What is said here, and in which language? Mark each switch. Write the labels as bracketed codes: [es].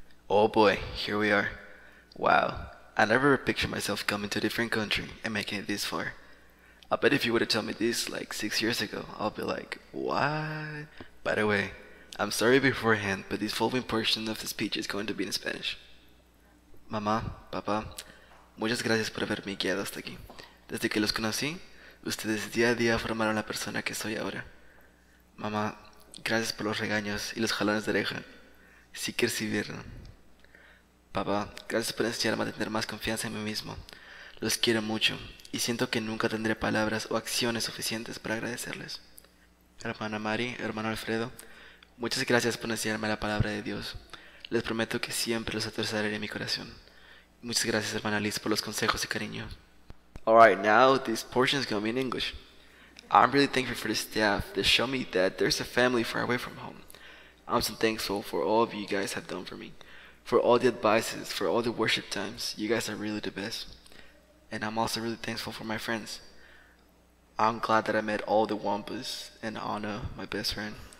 [en] Oh boy, here we are. Wow. I never pictured myself coming to a different country and making it this far. I bet if you would have told me this like 6 years ago, I'll be like, what? By the way, I'm sorry beforehand, but this following portion of the speech is going to be in Spanish. [es] Mamá, papá, muchas gracias por haberme guiado hasta aquí. Desde que los conocí, ustedes día a día formaron la persona que soy ahora. Mamá, gracias por los regaños y los jalones de oreja. Sí que recibieron. Papá, gracias por enseñarme a tener más confianza en mí mismo. Los quiero mucho, y siento que nunca tendré palabras o acciones suficientes para agradecerles. Hermana Mari, hermano Alfredo, muchas gracias por enseñarme la palabra de Dios. Les prometo que siempre los atesoraré en mi corazón. Muchas gracias, hermana Liz, por los consejos y cariño. [en] Alright, now this portion is going to be in English. I'm really thankful for the staff that showed me that there's a family far away from home. I'm so thankful for all of you guys have done for me. for all the advices, for all the worship times. You guys are really the best. And I'm also really thankful for my friends. I'm glad that I met all the Wampas and Anna, my best friend.